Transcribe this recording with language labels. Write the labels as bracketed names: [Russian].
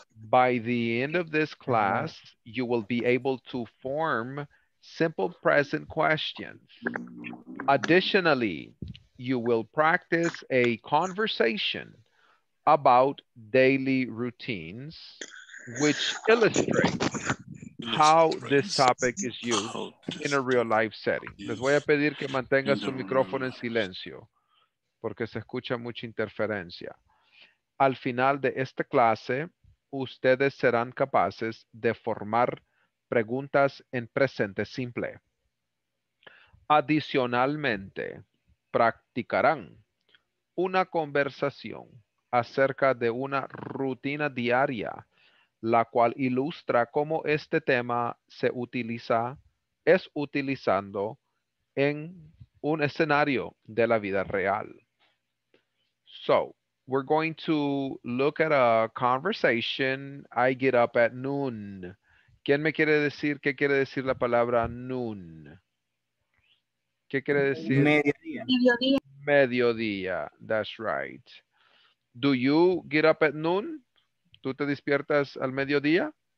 [English] By the end of this class, you will be able to form simple present questions. Additionally, you will practice a conversation about daily routines, which illustrate how this topic is used in a real life setting. [Spanish] Les voy a pedir que mantenga su micrófono en silencio porque se escucha mucha interferencia. Al final de esta clase, ustedes serán capaces de formar preguntas en presente simple. Adicionalmente, practicarán una conversación acerca de una rutina diaria, la cual ilustra cómo este tema se utiliza, es utilizando en un escenario de la vida real. [English] So, we're going to look at a conversation. I get up at noon. [Spanish] ¿Quién me quiere decir qué quiere decir la palabra noon? ¿Qué quiere decir? Mediodía. [English] Mediodía, that's right. Do you get up at noon? [Spanish] ¿Tú te despiertas al mediodía?